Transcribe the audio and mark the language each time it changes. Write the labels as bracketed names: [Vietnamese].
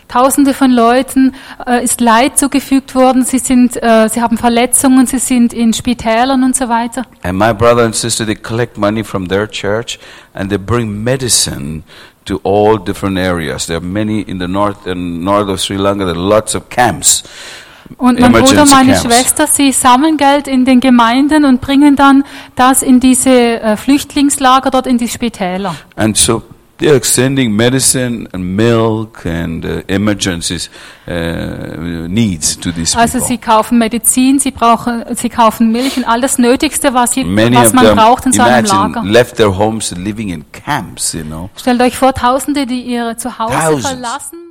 [German] Tausende von Leuten ist Leid zugefügt worden. Sie haben Verletzungen. Sie sind in Spitälern und so weiter. [English] And my brother and sister, they collect money from their church, and they bring medicine to all different areas. There are many in the north and north of Sri Lanka. There are lots of camps. [German] Und mein Bruder, meine Schwester, sie sammeln Geld in den Gemeinden und bringen dann das in diese Flüchtlingslager, dort in die Spitäler. [English] And so they are sending medicine and milk and emergency needs to these people. [German] Also sie kaufen Medizin, sie kaufen Milch und alles Nötigste, was man braucht in so einem Lager. [English] Left their homes living in camps, [German] Stellt euch vor, Tausende, die ihre Zuhause verlassen.